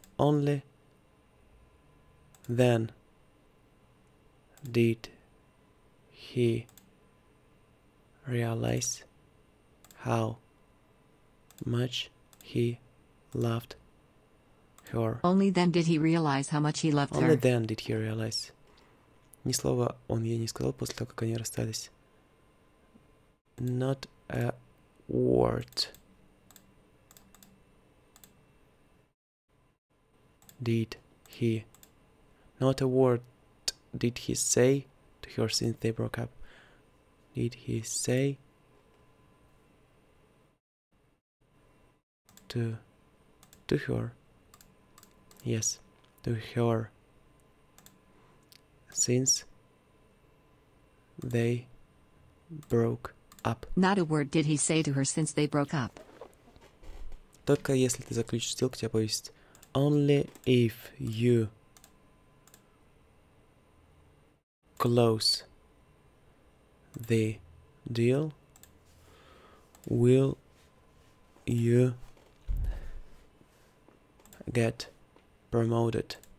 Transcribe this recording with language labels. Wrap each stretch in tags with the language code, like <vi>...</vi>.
<en>Only then did he realize how much he loved her. Only then did he realize how much he loved Only her. Only then did he realize.</en> <ru>Ни слова он ей не сказал после того, как они расстались.</ru> <en>Not a word did he. Not a word did he say to her since they broke up. Did he say to her? Yes, to her. Since they broke up. Not a word did he say to her since they broke up.</en> <ru>Только если ты заключишь сделку, тебя повесит.</ru> <en>Only if you close the deal will you get promoted.</en>